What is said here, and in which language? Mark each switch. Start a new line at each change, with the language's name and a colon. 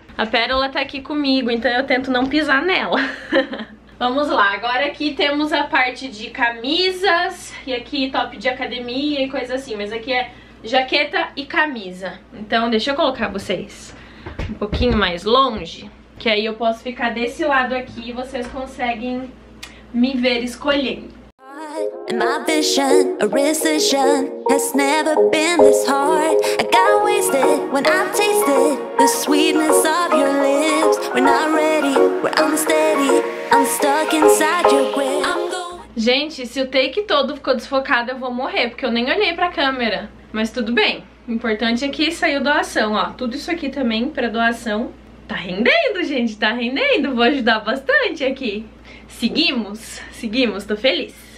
Portuguese: A Pérola tá aqui comigo, então eu tento não pisar nela. Vamos lá, agora aqui temos a parte de camisas. E aqui top de academia e coisa assim. Mas aqui é jaqueta e camisa. Então deixa eu colocar vocês um pouquinho mais longe, que aí eu posso ficar desse lado aqui e vocês conseguem me ver escolhendo.
English: And my vision, a recession, has never been this hard. I got wasted when I tasted the sweetness of your lips. We're not ready, we're unsteady, I'm stuck inside your grip.
Portuguese: Gente, se o take todo ficou desfocado, eu vou morrer, porque eu nem olhei pra câmera. Mas tudo bem, o importante é que saiu doação, ó. Tudo isso aqui também pra doação. Tá rendendo, gente, tá rendendo. Vou ajudar bastante aqui. Seguimos, seguimos, tô feliz.